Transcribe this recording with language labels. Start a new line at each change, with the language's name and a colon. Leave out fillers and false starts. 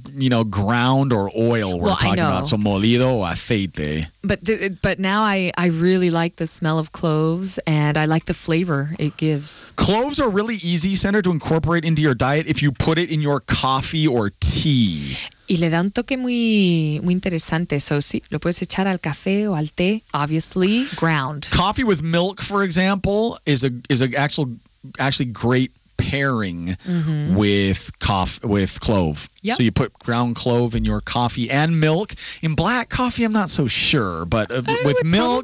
English: you know, ground or oil we're talking about.
Spanish: So molido o aceite.
English: But now I really like the smell of cloves and I like the flavor it gives. Cloves are really easy, Sandra, to incorporate into your diet if you put it in your coffee or tea.
Spanish: Y le da un toque muy, muy interesante. So, sí, lo puedes echar al café o al té,
English: obviously, ground. Coffee with milk, for example, is actually great pairing with clove. Yep. So you put ground clove in your coffee and milk. In black coffee, I'm not so sure, but with milk.